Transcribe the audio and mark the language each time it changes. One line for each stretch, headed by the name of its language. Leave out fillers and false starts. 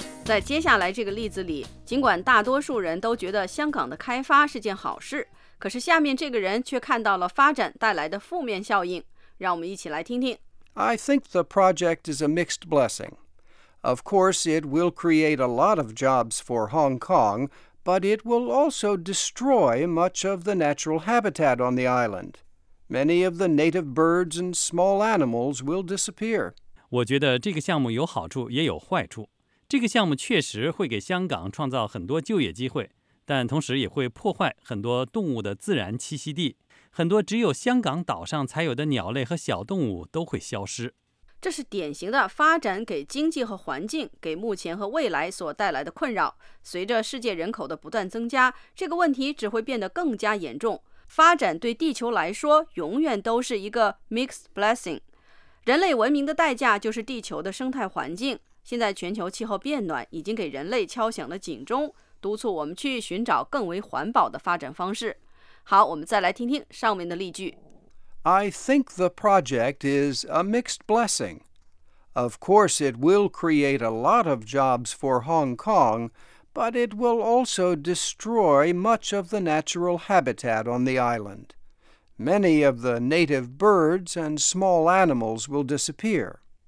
Chinese: In 接下来这个例子里，尽管大多数人都觉得香港的开发是件好事，可是下面这个人却看到了发展带来的负面效应。让我们一起来听听。
English: I think the project is a mixed blessing. Of course, it will create a lot of jobs for Hong Kong, but it will also destroy much of the natural habitat on the island. Many of the native birds and small animals will disappear.
Chinese: 我觉得这个项目有好处也有坏处。这个项目确实会给香港创造很多就业机会，但同时也会破坏很多动物的自然栖息地。很多只有香港岛上才有的鸟类和小动物都会消失。这是典型的发展给经济和环境，给目前和未来所带来的困扰。随着世界人口的不断增加，这个问题只会变得更加严重。发展对地球来说永远都是一个 mixed blessing。人类文明的代价就是地球的生态环境。现在全球气候变暖已经给人类敲响了警钟，督促我们去寻找更为环保的发展方式。好，我们再来听听上面的例句。
English: I think the project is a mixed blessing. Of course, it will create a lot of jobs for Hong Kong, but it will also destroy much of the natural habitat on the island. Many of the native birds and small animals will disappear.